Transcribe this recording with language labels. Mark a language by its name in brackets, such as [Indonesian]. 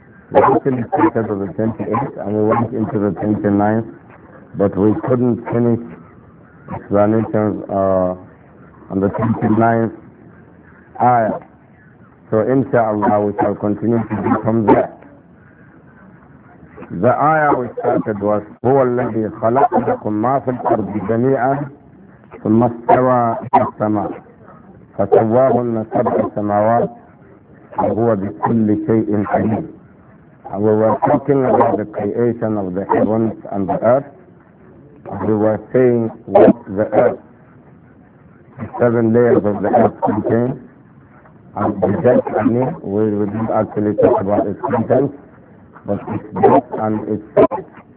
[English] We actually started with the 28th and we went into the 29th, but we couldn't finish explanations on the 29th ayah. So inshallah we shall continue to do from there. The ayah we started was [Arabic] هو الذي خلق لكم ما في الأرض جميعا ثم استوى إلى السماء فسواهن سبع سماوات وهو بكل شيء عليم. [English] And we were talking about the creation of the heavens and the earth. And we were saying what the earth, the seven layers of the earth contain. And the depth and it, we didn't actually talk about its contents, but its depth and its size.